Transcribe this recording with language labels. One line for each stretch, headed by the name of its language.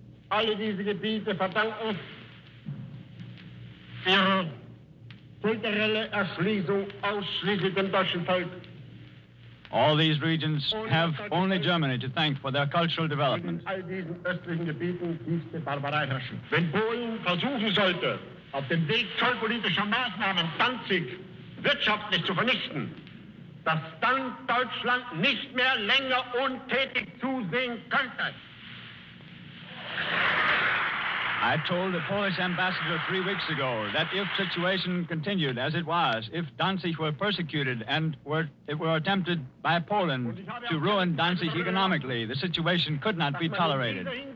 German: Alle diese Gebiete verdanken für kulturelle Erschließung ausschließlich dem deutschen Volk.
English: All these regions have only Germany to thank for their cultural development.
German: Wenn Polen versuchen sollte, auf dem Weg zollpolitischer Maßnahmen Danzig wirtschaftlich zu vernichten, dass dann Deutschland nicht mehr länger untätig zusehen könnte.
English: I told the Polish ambassador 3 weeks ago that if situation continued as it was, if Danzig were persecuted and were attempted by Poland to ruin Danzig economically, the situation could not be tolerated.